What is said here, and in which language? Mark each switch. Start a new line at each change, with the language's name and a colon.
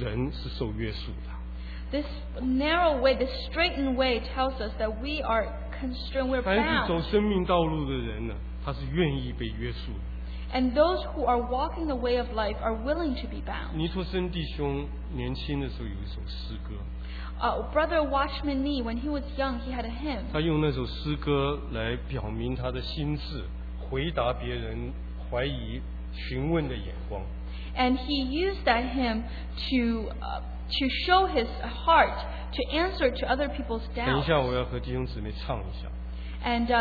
Chinese: 就告诉我们说，我们这个人是受约束的。
English: This narrow way, this straightened way tells us that we are constrained, we're bound.
Chinese: 凡是走生命道路的人呢，他是愿意被约束的。
English: And those who are walking the way of life are willing to be bound.
Chinese: 尼托森弟兄年轻的时候有一首诗歌。
English: Brother Watchman Nee, when he was young, he had a hymn.
Chinese: 他用那首诗歌来表明他的心智，回答别人怀疑、询问的眼光。
English: And he used that hymn to show his heart to answer to other people's doubts.
Chinese: 等一下，我要和弟兄姊妹唱一下。
English: And